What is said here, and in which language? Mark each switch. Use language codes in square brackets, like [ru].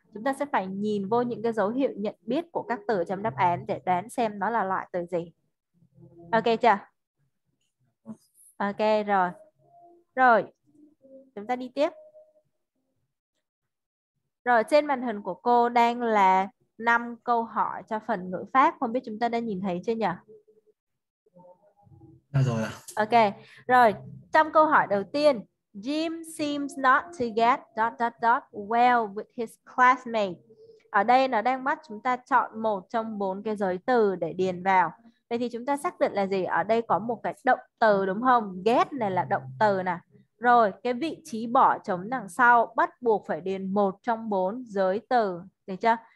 [vi] Chúng ta sẽ phải nhìn vô những cái dấu hiệu nhận biết của các từ trong đáp án để đoán xem nó là loại từ gì. Ok chưa? Ok rồi. Rồi, chúng ta đi tiếp. Rồi, trên màn hình của cô đang là 5 câu hỏi cho phần ngữ pháp. Không biết chúng ta đã nhìn thấy chưa nhỉ? Rồi. Ok, rồi. Trong câu hỏi đầu tiên, [en] Jim seems not to get dot dot dot well with his classmates. [vi] Ở đây nó đang bắt chúng ta chọn một trong bốn cái giới từ để điền vào. Vậy thì chúng ta xác định là gì? Ở đây có một cái động từ đúng không? Get này là động từ nè. Rồi, cái vị trí bỏ trống đằng sau bắt buộc phải điền một trong bốn giới từ. Được chưa?